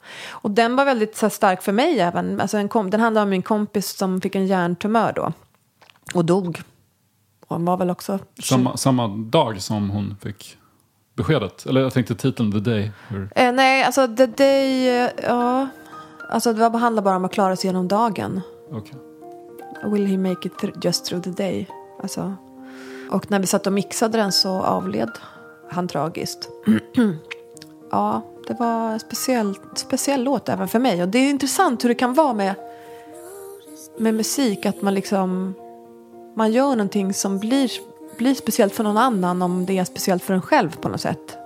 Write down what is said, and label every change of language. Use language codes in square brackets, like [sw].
[sv] Och den var väldigt så stark för mig även. Alltså den handlade om min kompis som fick en hjärntumör då. Och dog. Och han var väl också... Samma dag som hon fick beskedet? Eller jag tänkte titeln The Day? Nej, alltså The Day... Ja. Alltså det handlade bara om att klara sig genom dagen. Okay. [en] Will he make it just through the day? [sv] Alltså... Och när vi satt och mixade den så avled han tragiskt. Ja, det var en speciell låt även för mig. Och det är intressant hur det kan vara med musik. Att man liksom, man gör någonting som blir speciellt för någon annan om det är speciellt för en själv på något sätt.